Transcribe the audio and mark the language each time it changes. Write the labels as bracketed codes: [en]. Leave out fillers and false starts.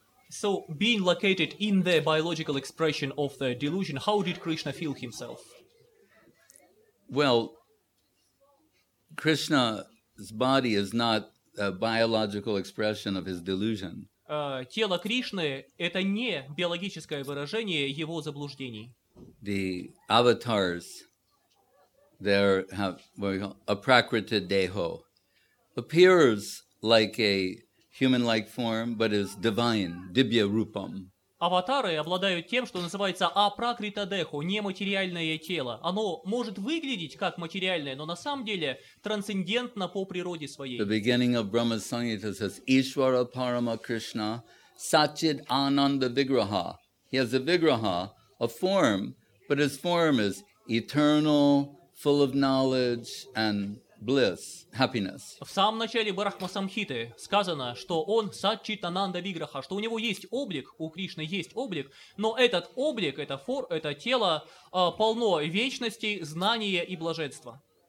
[en] So, being located in the biological expression of the delusion, how did Krishna feel himself? Well, Krishna's body is not a biological expression of his delusion. [ru] Тело Кришны — это не биологическое выражение его заблуждений. [en] The avatars, there have what we call a prakriti deho, appears like a human-like form, but is divine, dibya rupam. [ru] Аватары обладают тем, что называется апракритадехо, нематериальное тело. Оно может выглядеть как материальное, но на самом деле трансцендентно по природе своей. [en] The beginning of Brahma Sanghita says, Ishvara Parama Krishna, Sachid Ananda Vigraha. He has a vigraha, a form, but his form is eternal, full of knowledge and bliss, happiness. [ru] В самом начале Брахма Самхиты сказано, что он Сатчит Ананда Виграха, что у него есть облик, у Кришны есть облик, но этот облик, это тело полно вечности, знания и блаженства.